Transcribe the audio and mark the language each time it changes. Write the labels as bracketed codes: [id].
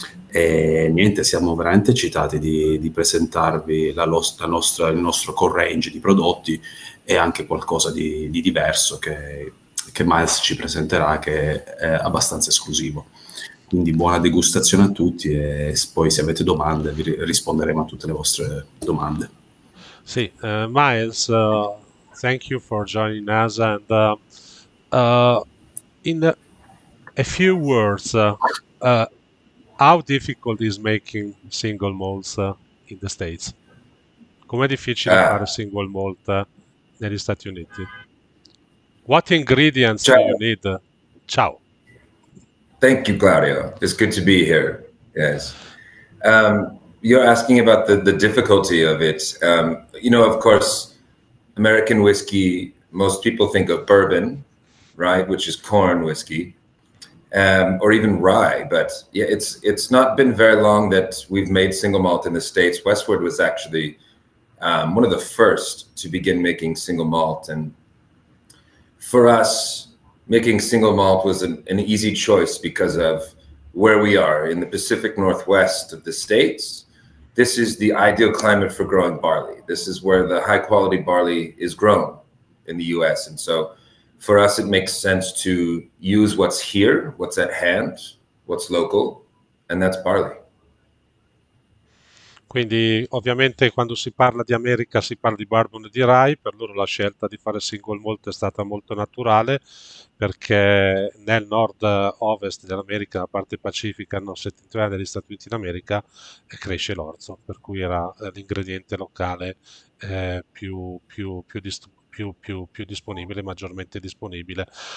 [it] E niente, siamo veramente eccitati di presentarvi il nostro core range di prodotti e anche qualcosa di diverso che Miles ci presenterà, che è abbastanza esclusivo. Quindi buona degustazione a tutti e poi se avete domande vi risponderemo a tutte le vostre domande. [en] Sì, Miles, thank you for joining us and in a few words, how difficult is making single malts in the States? [it] Com'è difficile fare single malt negli Stati Uniti? [en] What ingredients do you need? Ciao. Thank you, Claudio. It's good to be here. Yes. You're asking about the difficulty of it. You know, of course, American whiskey, most people think of bourbon, right, which is corn whiskey, or even rye. But yeah, it's not been very long that we've made single malt in the States. Westward was actually one of the first to begin making single malt. And for us, making single malt was an easy choice because of where we are in the Pacific Northwest of the States. This is the ideal climate for growing barley. This is where the high quality barley is grown in the US. And so for us, it makes sense to use what's here, what's at hand, what's local, and that's barley. [it] Quindi ovviamente quando si parla di America si parla di bourbon e di rye, per loro la scelta di fare single malt è stata molto naturale perché nel nord-ovest dell'America, la parte pacifica nord-settentrionale degli Stati Uniti d'America, cresce l'orzo, per cui era l'ingrediente locale più disponibile, maggiormente disponibile.